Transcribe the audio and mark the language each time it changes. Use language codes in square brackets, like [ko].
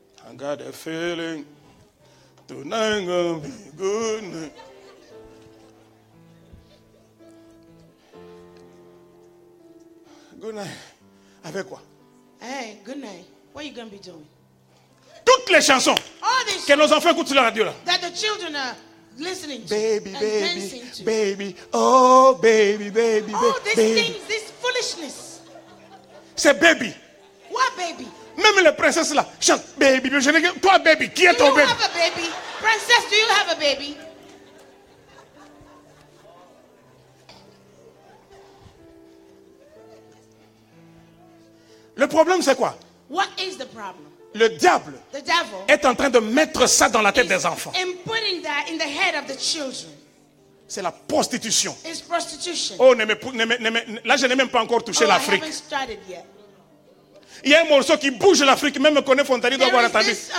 [en] I got a feeling tonight gonna be good. Good night. [fr] Avec quoi? [en] Hey, good night. What are you gonna be doing? [fr] Toutes les chansons que nos enfants écoutent sur la radio là. [en] That the children are listening to. Baby, baby, baby, oh baby, baby, baby. Oh, these things, this foolishness. [fr] C'est baby. [en] What baby? [fr] Même les princesses là chantent baby, baby. Toi, baby, qui est ton baby? [en] Do you have a baby, princess? Do you have a baby? [fr] Le problème c'est quoi? [en] What is the problem? [fr] Le diable [en] the devil [fr] est en train de mettre ça dans la tête des enfants. [en] And putting that in the head of the children. [fr] C'est la prostitution. [en] It's prostitution. [fr] Oh, là je n'ai même pas encore touché l'Afrique. [en] I haven't started yet. [fr] Il y a un morceau qui bouge l'Afrique, même Koné Fontani doit voir la tabi.